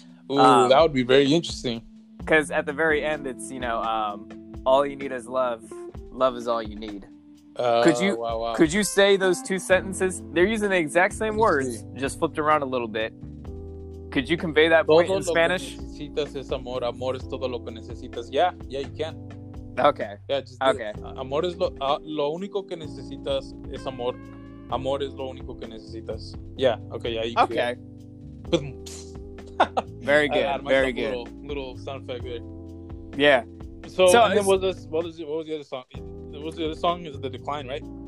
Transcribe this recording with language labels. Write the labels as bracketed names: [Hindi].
[English] Ooh, that would be very interesting. Because at the very end, it's all you need is love. Love is all you need. Could you say those two sentences? They're using the exact same words, just flipped around a little bit. Could you convey that point in Spanish? [Spanish] Todo lo que necesitas es amor. Amor es todo lo que necesitas. [English] Yeah, yeah, you can. Okay. Yeah, just okay. [Spanish] Amor es lo único que necesitas es amor. Amor es lo único que necesitas. [English] Yeah, okay, yeah, you can. Okay. Very good, very good. Little sound effect there. Yeah. What was the other song? It was The Decline, right?